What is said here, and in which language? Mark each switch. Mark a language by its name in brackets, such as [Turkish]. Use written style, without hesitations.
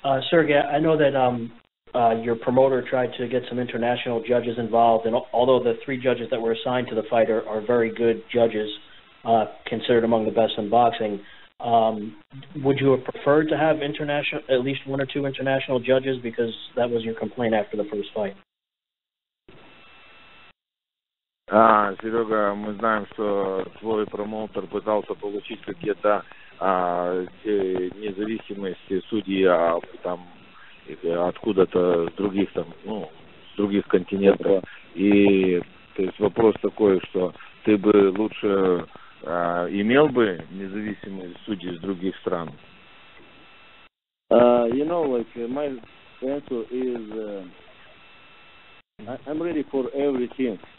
[English] Sergey, I know that your promoter tried to get some international judges involved, and although the three judges that were assigned to the fighter are very good judges, considered among the best in boxing, would you have preferred to have international, at least one or two international judges, because that was your complaint after the first fight? [Russian] А, Серега, мы знаем, что твой промоутер пытался получить какие-то независимости судьи, а там откуда-то с других там, ну, с других континентов. И то есть вопрос такой, что ты бы лучше имел бы независимые судьи из других стран. [English] You know, like, my answer is I'm ready for everything.